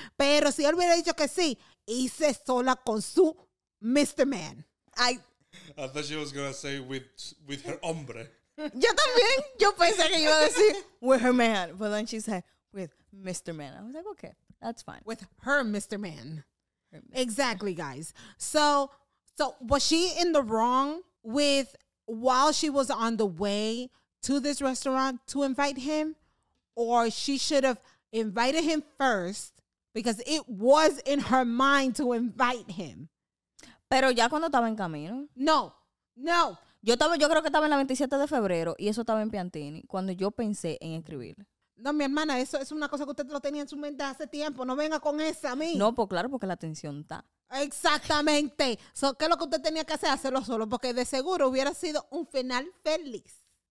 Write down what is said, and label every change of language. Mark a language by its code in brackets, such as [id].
[es] Pero si él hubiera dicho que sí, hice sola con su Mr. [en] Man. I thought she was going to say with her hombre. [es] Yo también. Yo pensé que iba a decir [en] with her man. But then she said with Mr. Man. I was like, okay, that's fine. With her Mr. Man. Exactly, guys. So was she in the wrong with while she was on the way to this restaurant to invite him? Or she should have invited him first because it was in her mind to invite him. [es] Pero ya cuando estaba en camino. No. Yo creo que estaba en la 27 de febrero y eso estaba en Piantini cuando yo pensé en escribirle. No, mi hermana, eso es una cosa que usted lo tenía en su mente hace tiempo. No venga con esa a mí. No, pues claro, porque la atención está. Exactamente. So, ¿qué es lo que usted tenía que hacer? Hacerlo solo, porque de seguro hubiera sido un final feliz.